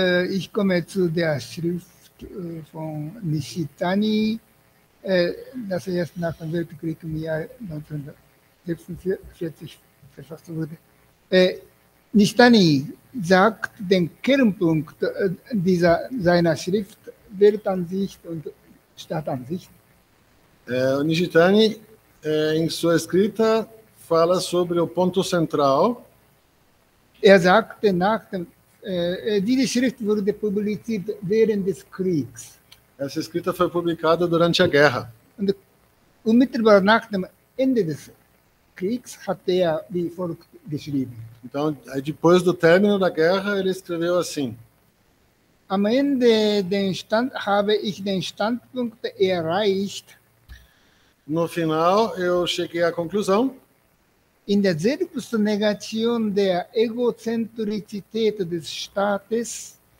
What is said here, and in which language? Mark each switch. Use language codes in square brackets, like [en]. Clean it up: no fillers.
[de] Ich komme zu der Schrift von Nishitani, das erst nach dem Weltkrieg im Jahr 1946 verfasst wurde. Nishitani sagt den Kernpunkt seiner Schrift Weltansicht und Stadtansicht. [pt] Nishitani, in sua escrita, fala sobre o ponto central. [de] Er sagte nach dem, diese Schrift wurde publiziert während des Kriegs. [pt] Essa escrita foi publicada durante a guerra. [de] Und unmittelbar nach dem Ende des Kriegs hat er wie folgt geschrieben. [pt] Então, depois do término da guerra, ele escreveu assim. [de] Am Ende den Stand, habe ich den Standpunkt erreicht. [pt] No final, eu cheguei à conclusão. [de] In der Selbstnegation der Egozentrizität des Staates,